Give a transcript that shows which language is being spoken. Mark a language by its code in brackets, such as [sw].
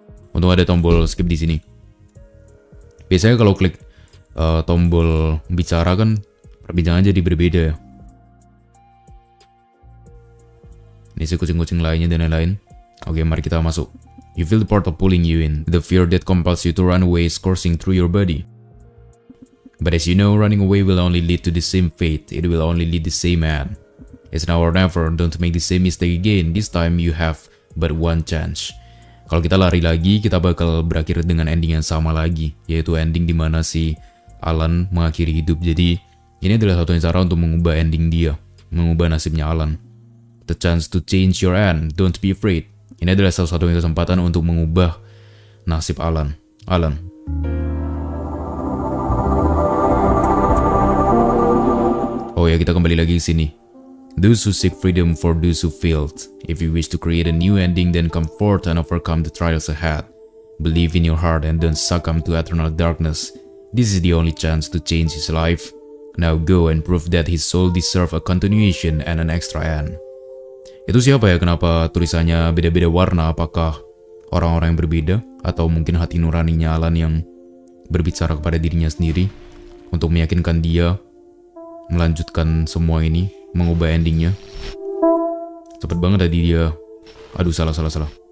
[id] Untung ada tombol skip di sini. Biasanya kalau klik tombol bicara kan perbincangan jadi berbeda ya. Ini si kucing-kucing lainnya dan lain-lain. Oke, mari kita masuk. [en] You feel the portal pulling you in. The fear that compels you to run away is coursing through your body. But as you know, running away will only lead to the same fate. It will only lead the same end. It's now or never. Don't make the same mistake again. This time you have but one chance. [id] Kalau kita lari lagi, kita bakal berakhir dengan ending yang sama lagi. Yaitu ending di mana si Alan mengakhiri hidup. Jadi, ini adalah satu cara untuk mengubah ending dia. Mengubah nasibnya Alan. [en] The chance to change your end. Don't be afraid. [id] Ini adalah salah satu kesempatan untuk mengubah nasib Alan. Alan. Oh ya, kita kembali lagi ke sini. [en] Those who seek freedom for those who failed. If you wish to create a new ending, then come forth and overcome the trials ahead. Believe in your heart and don't succumb to eternal darkness. This is the only chance to change his life. Now go and prove that his soul deserves a continuation and an extra end. [id] Itu siapa ya? Kenapa tulisannya beda-beda warna? Apakah orang-orang yang berbeda? Atau mungkin hati nuraninya Alan yang berbicara kepada dirinya sendiri untuk meyakinkan dia melanjutkan semua ini, mengubah endingnya? Cepet banget tadi dia. Aduh, salah.